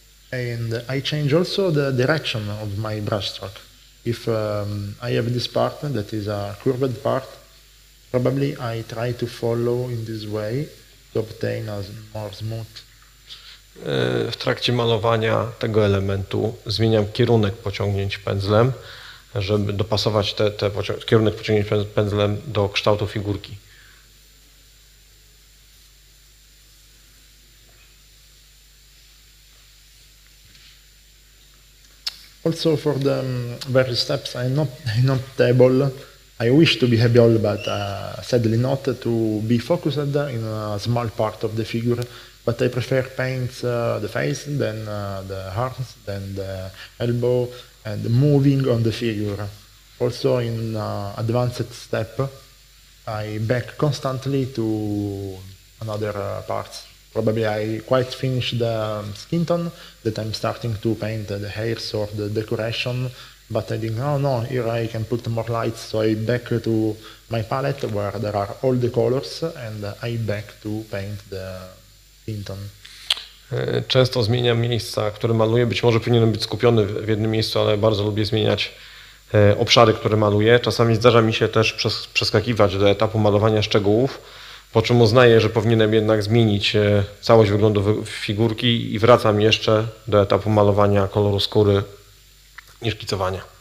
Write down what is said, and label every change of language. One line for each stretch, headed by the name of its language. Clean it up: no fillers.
English: And I change also the direction of my brush stroke. If I have this part that is a curved part, probably I try to follow in this way to obtain a more smooth.
Polish: W trakcie malowania tego elementu zmieniam kierunek pociągnięć pędzlem, żeby dopasować kierunek pociągnięć pędzlem do kształtu figurki.
English: Also for the various steps, I'm not able. I wish to be able, but sadly not to be focused in a small part of the figure. But I prefer paint the face, then the arms, then the elbow, and moving on the figure. Also in advanced step, I back constantly to another parts. Probably I quite finished the skin tone that I'm starting to paint the hairs or the decoration, but I think, oh no, here I can put more lights. So I back to my palette where there are all the colors and I back to paint the skin tone.
Polish: Często zmieniam miejsca, które maluję. Być może powinienem być skupiony w jednym miejscu, ale bardzo lubię zmieniać obszary, które maluję. Czasami zdarza mi się też przeskakiwać do etapu malowania szczegółów, po czym uznaję, że powinienem jednak zmienić całość wyglądu figurki i wracam jeszcze do etapu malowania koloru skóry i szkicowania.